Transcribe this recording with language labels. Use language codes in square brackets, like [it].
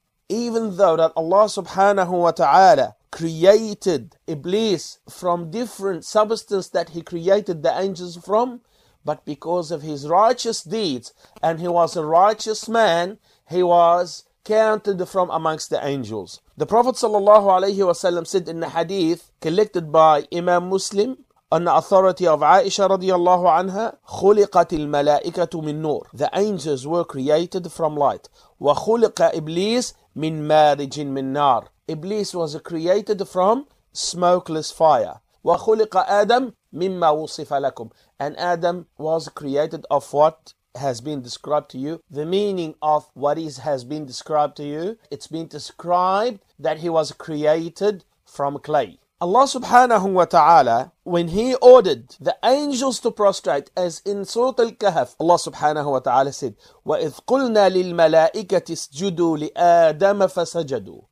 [en] Even though that Allah subhanahu wa ta'ala created Iblis from different substance that he created the angels from, but because of his righteous deeds and he was a righteous man, he was counted from amongst the angels. The Prophet sallallahu alayhi wa sallam said in the hadith collected by Imam Muslim on the authority of Aisha radiallahu anha, خُلِقَتِ الْمَلَائِكَةُ مِن نُور. The angels were created from light. [ar] وَخُلِقَ Iblis مِن مَارِجٍ مِن نَار. [en] Iblis was created from smokeless fire. [ar] وَخُلِقَ Adam مِمَّا وُصِفَ لَكُمْ. [en] And Adam was created of what has been described to you. The meaning of what is has been described to you, it's been described that he was created from clay. Allah subhanahu wa ta'ala, when He ordered the angels to prostrate, as in Surah Al-Kahf, Allah subhanahu wa ta'ala said, وَإِذْ قُلْنَا لِلْمَلَائِكَةِ اسْجُدُوا لِآدَمَ فَسَجَدُوا.